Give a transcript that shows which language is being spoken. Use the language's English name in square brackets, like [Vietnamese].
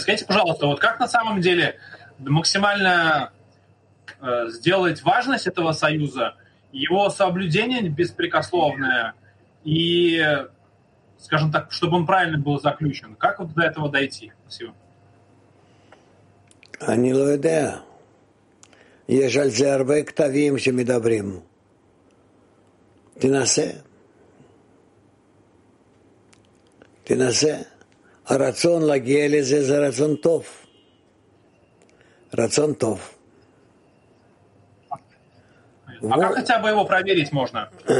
[Russian] Скажите, пожалуйста, вот как на самом деле максимально сделать важность этого союза, его соблюдение беспрекословное, и, скажем так, чтобы он правильно был заключен. Как вот до этого дойти? Спасибо. [Hebrew] אני לא יודע. יש על זה הרבה כתבים שמדברים. תנסה. תנסה. הרצון להגיע לזה זה רצון טוב. Рацион тов. [Russian] А вот. Как хотя бы его проверить можно?